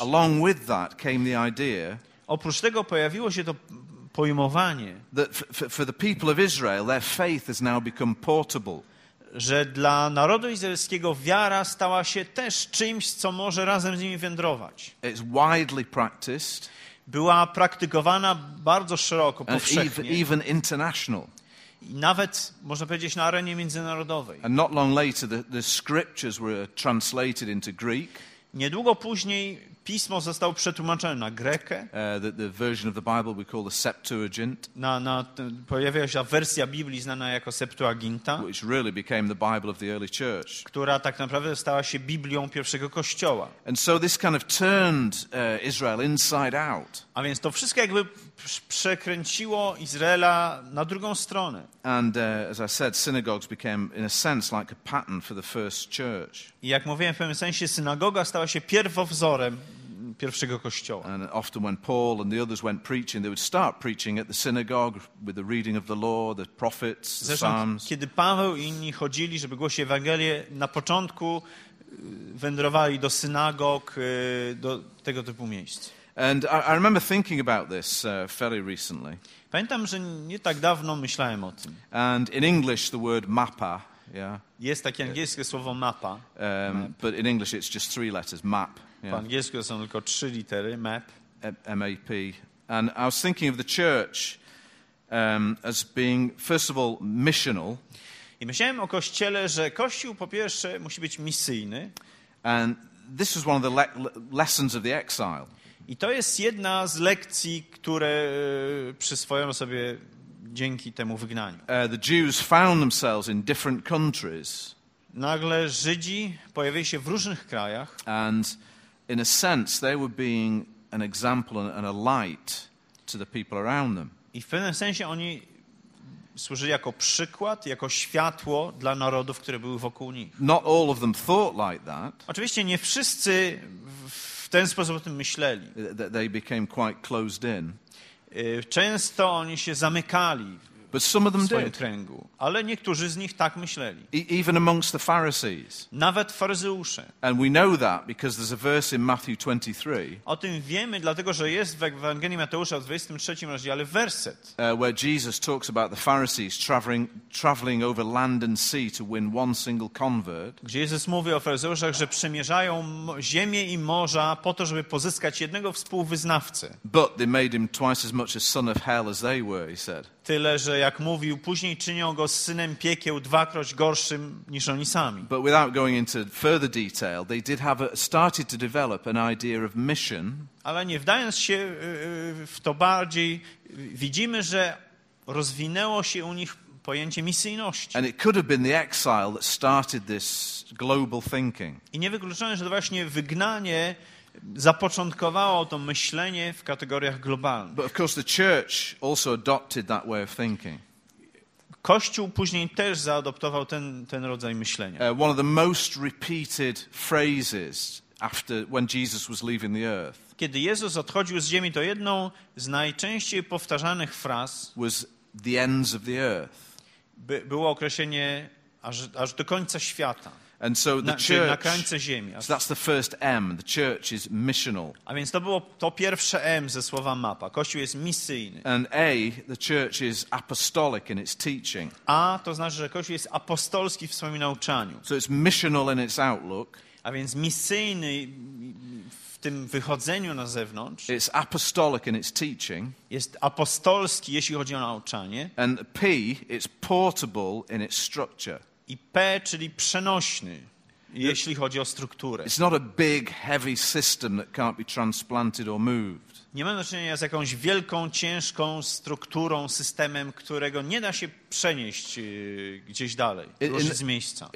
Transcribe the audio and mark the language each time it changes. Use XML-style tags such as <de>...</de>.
<en>Along with that came the idea.</en> <pl>Oprócz tego pojawiło się to pojmowanie,</pl> <en>that for the people of Israel, their faith has now become portable.</en> <pl>Że dla narodu izraelskiego wiara stała się też czymś, co może razem z nimi wędrować.</pl> <en>It's widely practiced.</en> <pl>Była praktykowana bardzo szeroko, powszechnie.</pl> <en>Even international.</en> <pl>Nawet, można powiedzieć, na arenie międzynarodowej.</pl> <en>And not long later, the scriptures were translated into Greek.</en> <pl>Niedługo później pismo zostało przetłumaczone na grekę.</pl> <en>The version of the Bible we call the Septuagint.</en> <pl>Pojawiła się wersja Biblii znana jako Septuaginta,</pl> <en>which really became the Bible of the early church.</en> <pl>Która tak naprawdę stała się Biblią pierwszego kościoła.</pl> <en>And so this kind of turned Israel inside out.</en> <pl>A więc to wszystko jakby przekręciło Izraela na drugą stronę.</pl> <en>And as I said, synagogues became in a sense like a pattern for the first church.</en> <pl>I jak mówiłem, w pewnym sensie synagoga stała się pierwowzorem pierwszego kościoła.</pl> <en>And often when Paul and the others went preaching, they would start preaching at the synagogue with the reading of the law, the prophets, the psalms.</en> <pl>Kiedy Paweł i inni chodzili, żeby głosić Ewangelię, na początku wędrowali do synagog, do tego typu miejsc.</pl> <en>And I remember thinking about this fairly recently.</en> <pl>Pamiętam, że nie tak dawno myślałem o tym.</pl> <en>And in English the word mapa, yeah.</en> <pl>Jest takie angielskie słowo mapa.</pl> <en>But in English it's just three letters, map.</en> <pl>Po angielsku są tylko trzy litery, map.</pl> <en>M-A-P. And I was thinking of the church as being, first of all, missional.</en> <pl>I myślałem o Kościele, że Kościół po pierwsze musi być misyjny.</pl> <en>And this was one of the lessons of the exile.</en> <pl>I to jest jedna z lekcji, które przyswoją sobie dzięki temu wygnaniu.</pl> <en>The Jews found themselves in different countries.</en> <pl>Nagle Żydzi pojawili się w różnych krajach.</pl> <en>And in a sense, they were being an example and a light to the people around them.</en> <pl>I w pewnym sensie oni służyli jako przykład, jako światło dla narodów, które były wokół nich.</pl> <en>Not all of them thought like that.</en> <pl>Oczywiście nie wszyscy w ten sposób o tym myśleli.</pl> <en>They became quite closed in.</en> <pl>Często oni się zamykali.</pl> <en>But some of them did.</en> <pl>Kręgu. Ale niektórzy z nich tak myśleli.</pl> <en>Even amongst the Pharisees.</en> <pl>Nawet faryzeusze.</pl> <en>And we know that because there's a verse in Matthew 23.</en> <pl>O tym wiemy, dlatego że jest w Ewangelii Mateusza w 23 rozdziale werset.</pl> <en>Where Jesus talks about the Pharisees traveling over land and sea to win one single convert.</en> <pl>Gdzie Jezus mówi o faryzeuszach, że przemierzają ziemię i morza po to, żeby pozyskać jednego współwyznawcę.</pl> <en>But they made him twice as much a son of hell as they were, he said.</en> <pl>Tyle, że jak mówił, później czynią go z synem piekieł dwakroć gorszym niż oni sami.</pl> <en>But without going into further detail, they did have started to develop an idea of mission.</en> <pl>Ale nie wdając się w to bardziej, widzimy, że rozwinęło się u nich pojęcie misyjności.</pl> <en>And it could have been the exile that started this global thinking.</en> <pl>I niewykluczone, że to właśnie wygnanie zapoczątkowało to myślenie w kategoriach globalnych.</pl> <en>But of course the church also adopted that way of thinking.</en> <pl>Kościół później też zaadoptował ten rodzaj myślenia.</pl> <en>One of the most repeated phrases after when Jesus was leaving the earth.</en> <pl>Kiedy Jezus odchodził z ziemi, to jedną z najczęściej powtarzanych fraz</pl> <en>was the ends of the earth.</en> <pl>Było określenie aż do końca świata.</pl> <en>And so the church,</en> <pl>na krańce ziemi.</pl> <en>So that's the first M, the church is missional.</en> <pl>A więc to było to pierwsze M ze słowa mapa. Kościół jest misyjny.</pl> <en>And A, the church is apostolic in its teaching.</en> <pl>A to znaczy, że Kościół jest apostolski w swoim nauczaniu.</pl> <en>So it's missional in its outlook.</en> <pl>A więc misyjny w tym wychodzeniu na zewnątrz.</pl> <en>It's apostolic in its teaching.</en> <pl>Jest apostolski, jeśli chodzi o nauczanie.</pl> <en>And P, it's portable in its structure.</en> <pl>I P, czyli przenośny, jeśli chodzi o strukturę.</pl> <en>It's not a big, heavy system that can't be transplanted or moved.</en> <pl>Nie mamy do czynienia z jakąś wielką, ciężką strukturą, systemem, którego nie da się przenieść gdzieś dalej, ruszyć z miejsca.</pl>